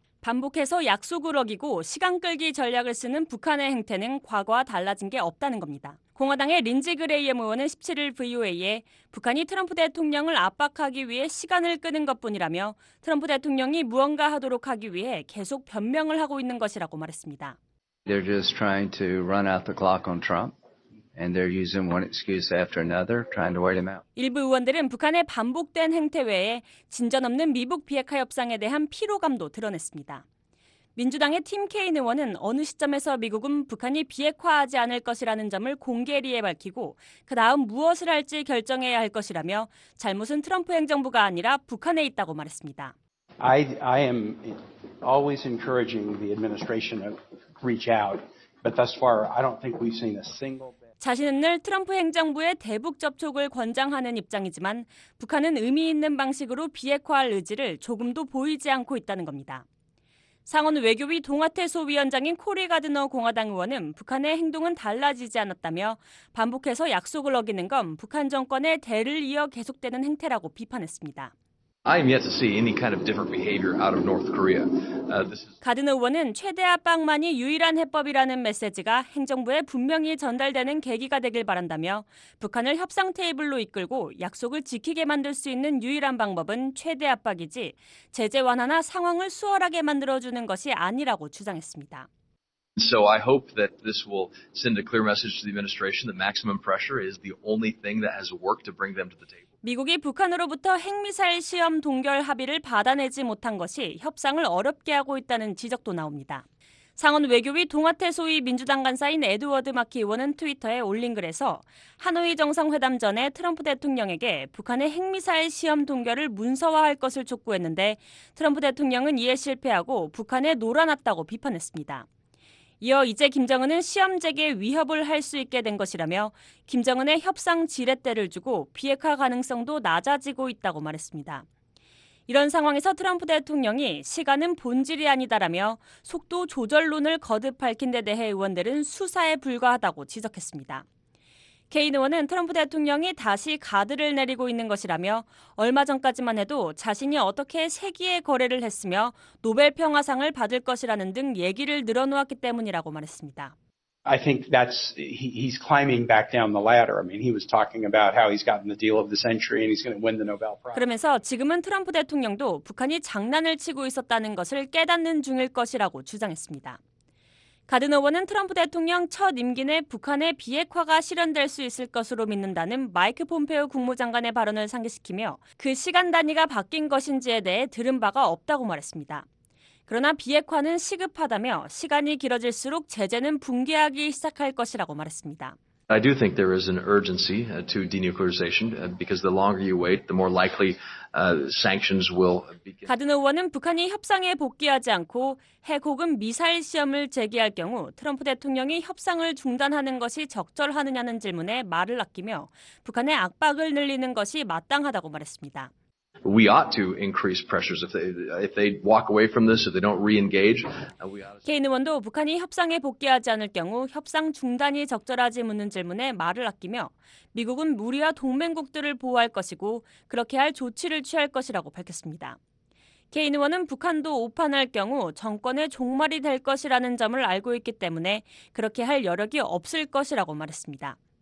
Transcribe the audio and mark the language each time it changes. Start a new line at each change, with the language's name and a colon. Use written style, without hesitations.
Korean: 반복해서 약속을 어기고 시간 끌기 전략을 쓰는 북한의 행태는 과거와 달라진 게 없다는 겁니다. 공화당의 린지 그레이엄 의원은 17일 VOA에 북한이 트럼프 대통령을 압박하기 위해 시간을 끄는 것뿐이라며 트럼프 대통령이 무언가 하도록 하기 위해 계속 변명을 하고 있는 것이라고 말했습니다.
English: They're just trying to run out the clock on Trump. And they're using one excuse after another, trying to wait him out.
Korean: 일부 의원들은 북한의 반복된 행태 외에 진전 없는 미북 비핵화 협상에 대한 피로감도 드러냈습니다. 민주당의 팀 케인 의원은 어느 시점에서 미국은 북한이 비핵화하지 않을 것이라는 점을 공개리에 밝히고 그 다음 무엇을 할지 결정해야 할 것이라며 잘못은 트럼프 행정부가 아니라 북한에 있다고 말했습니다.
English: I am always encouraging the administration to reach out, but thus far, I don't think we've seen a single.
Korean: 자신은 늘 트럼프 행정부의 대북 접촉을 권장하는 입장이지만 북한은 의미 있는 방식으로 비핵화할 의지를 조금도 보이지 않고 있다는 겁니다. 상원 외교위 동아태 소위원장인 코리 가드너 공화당 의원은 북한의 행동은 달라지지 않았다며 반복해서 약속을 어기는 건 북한 정권의 대를 이어 계속되는 행태라고 비판했습니다.
English: I am yet to see any kind of different behavior out of North Korea.
Korean: 가드너 의원은 최대 압박만이 유일한 해법이라는 메시지가 행정부에 분명히 전달되는 계기가 되길 바란다며 북한을 협상 테이블로 이끌고 약속을 지키게 만들 수 있는 유일한 방법은 최대 압박이지 제재 완화나 상황을 수월하게 만들어주는 것이 아니라고 주장했습니다.
English: So I hope that this will send a clear message to the administration that maximum pressure is the only thing that has worked to bring them to the table.
Korean: 미국이 북한으로부터 핵미사일 시험 동결 합의를 받아내지 못한 것이 협상을 어렵게 하고 있다는 지적도 나옵니다. 상원 외교위 동아태 소위 민주당 간사인 에드워드 마키 의원은 트위터에 올린 글에서 하노이 정상회담 전에 트럼프 대통령에게 북한의 핵미사일 시험 동결을 문서화할 것을 촉구했는데 트럼프 대통령은 이에 실패하고 북한에 놀아났다고 비판했습니다. 이어 이제 김정은은 시험 재개 위협을 할 수 있게 된 것이라며 김정은의 협상 지렛대를 주고 비핵화 가능성도 낮아지고 있다고 말했습니다. 이런 상황에서 트럼프 대통령이 시간은 본질이 아니다라며 속도 조절론을 거듭 밝힌 데 대해 의원들은 수사에 불과하다고 지적했습니다. 케인 의원은 트럼프 대통령이 다시 가드를 내리고 있는 것이라며 얼마 전까지만 해도 자신이 어떻게 세기의 거래를 했으며 노벨 평화상을 받을 것이라는 등 얘기를 늘어놓았기 때문이라고 말했습니다.
English: I think that's he's climbing back down the ladder. I mean, he was talking about how he's gotten the deal of the century and he's going to win the Nobel Prize.
Korean: 그러면서 지금은 트럼프 대통령도 북한이 장난을 치고 있었다는 것을 깨닫는 중일 것이라고 주장했습니다. 가든 의원은 트럼프 대통령 첫 임기 내 북한의 비핵화가 실현될 수 있을 것으로 믿는다는 마이크 폼페오 국무장관의 발언을 상기시키며 그 시간 단위가 바뀐 것인지에 대해 들은 바가 없다고 말했습니다. 그러나 비핵화는 시급하다며 시간이 길어질수록 제재는 붕괴하기 시작할 것이라고 말했습니다.
English: I do think there is an urgency to denuclearization because the longer you wait, the more likely sanctions will begin.
Korean: 가든 의원은 북한이 협상에 복귀하지 않고 핵 혹은 미사일 시험을 재개할 경우 트럼프 대통령이 협상을 중단하는 것이 적절하느냐는 질문에 말을 아끼며 북한의 압박을 늘리는 것이 마땅하다고 말했습니다.
English: We ought to increase pressures if they walk away from this, if they don't re-engage.
Korean: 케인 의원도 북한이 협상에 복귀하지 않을 경우 협상 중단이 적절하지 묻는 질문에 말을 아끼며 미국은 우리와 동맹국들을 보호할 것이고 그렇게 할 조치를 취할 것이라고 밝혔습니다. 케인 의원은 북한도 오판할 경우 정권의 종말이 될 것이라는 점을 알고 있기 때문에 그렇게 할 여력이 없을 것이라고 말했습니다.